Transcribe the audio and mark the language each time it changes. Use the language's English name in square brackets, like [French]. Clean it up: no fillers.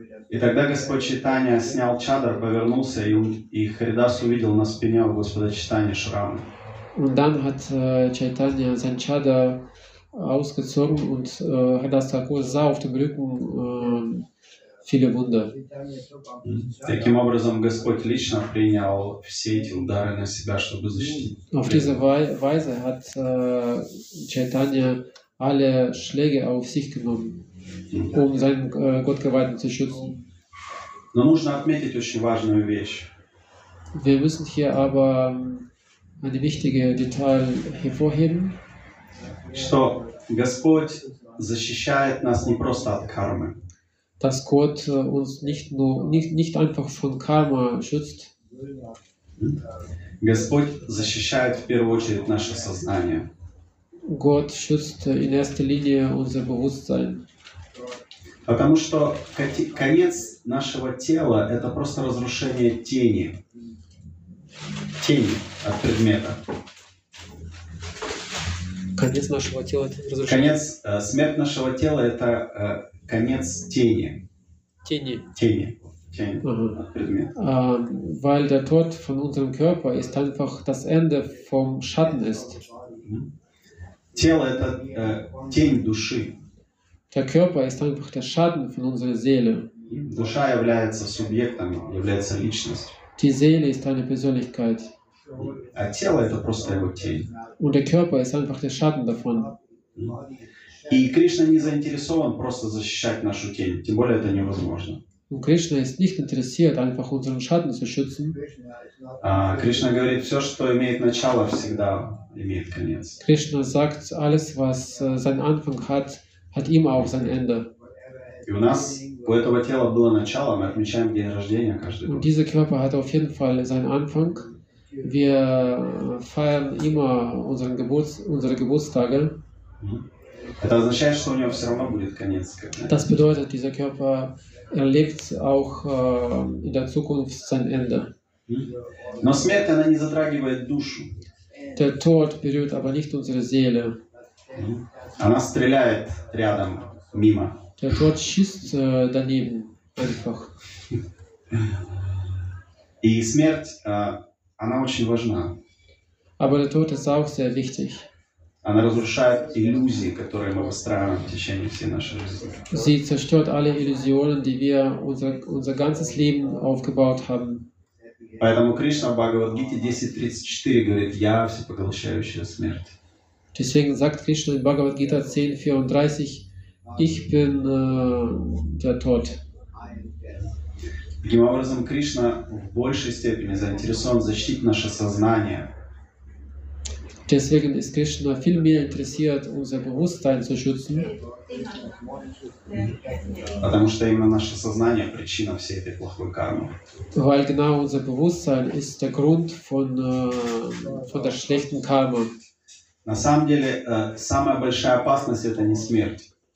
[Russian] И тогда Господь Чайтанья снял чадар, повернулся, и Харидас увидел на спине у Господа Чайтаньи шрам. [German] Und dann hat Чайтанья sein чадар ausgezogen und Харидас Такур sah auf dem Rücken viele Wunder. [Russian] Таким образом Господь лично принял все эти удары на себя, чтобы защитить. [German] Auf diese Weise hat Chaitanya alle Schläge auf sich genommen, um seinen Gottgeweihten zu schützen. [Russian] Но нужно отметить очень важную вещь. [German] Wir müssen hier aber ein wichtiges Detail hervorheben, [Russian] что Господь защищает нас не просто от кармы. [German] Dass Gott uns nicht einfach von Karma schützt. [Russian] Господь защищает в первую очередь наше сознание. [German] Gott schützt in erster Linie unser Bewusstsein. [Russian] Потому что конец нашего тела – это просто разрушение тени. Тени от предмета. Конец нашего тела – это разрушение? Конец, смерть нашего тела – это конец тени. Тени. Тени. Tja, [German] weil der Tod von unserem Körper ist einfach das Ende vom Schatten ist. [Russian] Тело это тень души. [German] Der Körper ist einfach der Schatten von unserer Seele. [Russian] Душа является субъектом, является личностью. [German] Die Seele ist eine Persönlichkeit. [Russian] А тело это просто его тень. [German] Und der Körper ist einfach der Schatten davon. [Russian] И Кришна не заинтересован просто защищать нашу тень, тем более это невозможно. [German] Und Krishna ist nicht interessiert, einfach unseren Schatten zu schützen. [Russian] Krishna говорит, все, что имеет начало, всегда имеет конец. [German] Krishna sagt, alles, was seinen Anfang hat, hat immer auch sein Ende. [Russian] И у нас у этого тела было начало, мы отмечаем день рождения каждый год. [German] Und dieser Körper hat auf jeden Fall seinen Anfang. Wir feiern immer unseren unsere Geburtstage. [Russian] Это означает, что у него все равно будет конец. [German] Das bedeutet, dieser Körper erlebt auch in der Zukunft sein Ende. [Russian] Но смерть, она не затрагивает душу. [German] Der Tod berührt aber nicht unsere Seele. [Russian] Она стреляет рядом, мимо. [German] Der Tod schießt daneben, einfach. [Russian] И смерть, она очень важна. [German] Aber der Tod ist auch sehr wichtig. [Russian] Она разрушает иллюзии, которые мы выстраиваем в течение всей нашей жизни. [German] Sie zerstört alle Illusionen, die wir unser ganzes Leben aufgebaut haben. [Russian] Поэтому Кришна в Бхагавад-гите 10.34 говорит: «Я всепоглощающая смерть». [German] Deswegen sagt Krishna in Bhagavad-gita 10.34: «Ich bin der Tod». [Russian] Таким образом, Кришна в большей степени заинтересован защитить наше сознание. [German] Deswegen ist Krishna viel mehr interessiert, unser Bewusstsein zu schützen. Weil genau unser Bewusstsein ist der Grund von der schlechten Karma. [Russian] На самом деле, самая большая опасность – это не смерть.